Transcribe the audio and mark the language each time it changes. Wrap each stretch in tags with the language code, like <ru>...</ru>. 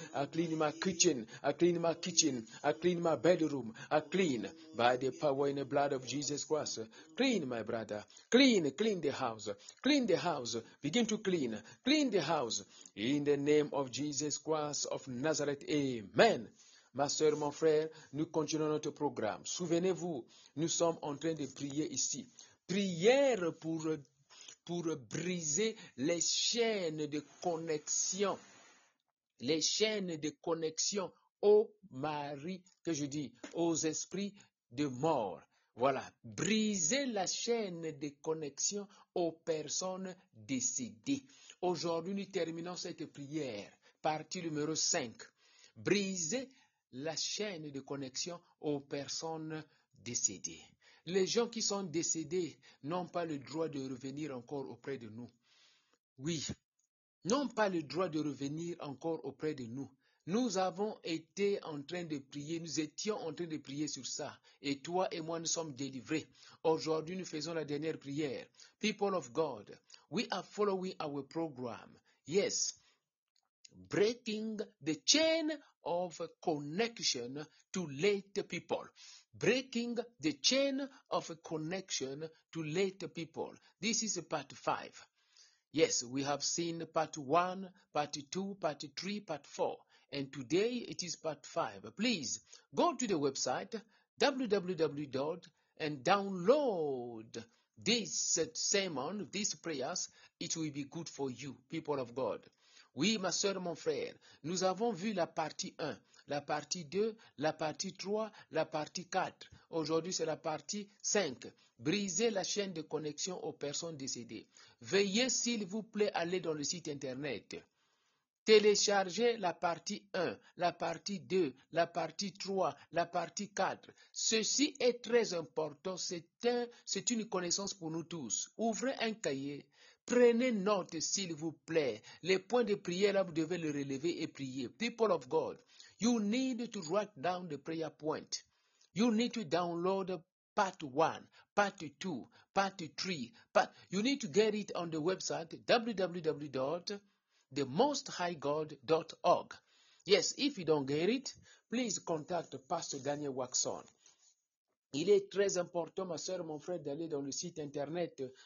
<en>I clean my kitchen. I clean my kitchen. I clean my bedroom. I clean by the power in the blood of Jesus Christ. Clean, my brother. Clean the house. Clean the house. Begin to clean. Clean the house. In the name of Jesus Christ of Nazareth. Amen.</en> <fr>Ma soeur, mon frère, nous continuons notre programme. Souvenez-vous, nous sommes en train de prier ici. Prière pour briser les chaînes de connexion. Les chaînes de connexion aux maris, que je dis, aux esprits de mort. Voilà, briser la chaîne de connexion aux personnes décédées. Aujourd'hui, nous terminons cette prière, partie numéro 5. Briser la chaîne de connexion aux personnes décédées. Les gens qui sont décédés n'ont pas le droit de revenir encore auprès de nous. Oui, n'ont pas le droit de revenir encore auprès de nous. Nous avons été en train de prier, nous étions en train de prier sur ça. Et toi et moi, nous sommes délivrés. Aujourd'hui, nous faisons la dernière prière.</fr> <en>People of God, we are following our program. Yes, breaking the chain of connection to late people. Breaking the chain of connection to late people. This is part 5. Yes, we have seen part 1, part 2, part 3, part 4. And today it is part 5. Please go to the website www.com and download this sermon, these prayers. It will be good for you, people of God.</en> <fr>Oui, ma soeur, mon frère, nous avons vu la partie 1, la partie 2, la partie 3, la partie 4. Aujourd'hui, c'est la partie 5. Briser la chaîne de connexion aux personnes décédées. Veuillez, s'il vous plaît, aller dans le site internet. Téléchargez la partie 1, la partie 2, la partie 3, la partie 4. Ceci est très important. C'est une connaissance pour nous tous. Ouvrez un cahier. Prenez note, s'il vous plaît. Les points de prière, là, vous devez les relever et prier.</fr> <en>People of God, you need to write down the prayer point. You need to download part 1, part 2, part 3. You need to get it on the website www.themosthighgod.org. Yes, if you don't get it, please contact Pastor Daniel Waxon.</en> <fr>Il est très important, ma soeur, mon frère, d'aller dans le site internet</fr>